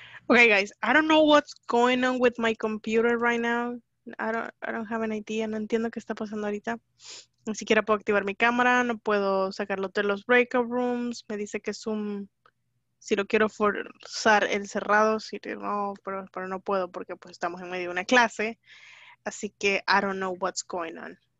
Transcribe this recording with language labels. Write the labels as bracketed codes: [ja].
[en] Okay, guys, I don't know what's going on with my computer right now. I don't have an idea, [es] no entiendo qué está pasando ahorita. Ni siquiera puedo activar mi cámara, no puedo sacarlo de los breakout rooms. Me dice que Zoom, si lo quiero forzar el cerrado, si no, pero no puedo porque pues estamos en medio de una clase. Así que [en] I don't know what's going on.